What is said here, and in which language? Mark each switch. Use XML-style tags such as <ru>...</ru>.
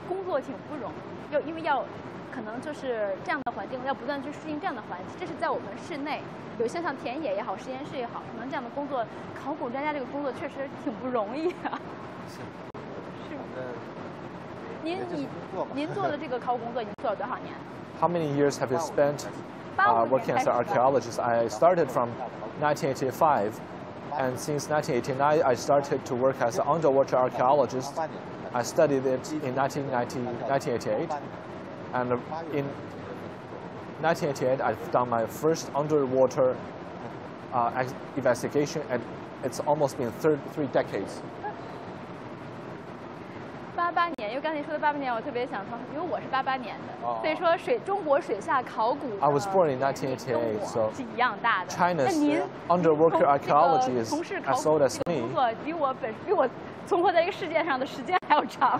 <zh>可能就是这样的环境，要不断去适应这样的环境。这是在我们室内，有些像田野也好，实验室也好，可能这样的工作，考古专家这个工作确实挺不容易啊。是，是。您做的这个考古工作已经做了多少年</zh> <en>？How many years have you spent working as an archaeologist? I started from 1985, and since 1989, I started to work as an underwater archaeologist. I studied it in 1988, and in 1988, I've done my first underwater investigation, and it's almost been three decades.</en> <zh>八八年，又刚才说的八八年，我特别想说，因为我是八八年的，所以说中国水下考古。</zh> <en>I was born in 1988, so</en> <zh>是一样大的。</zh> <en>China's underwater archaeology is as old as me.</en> <zh>比我存活在一个世界上的时间还要长。</zh>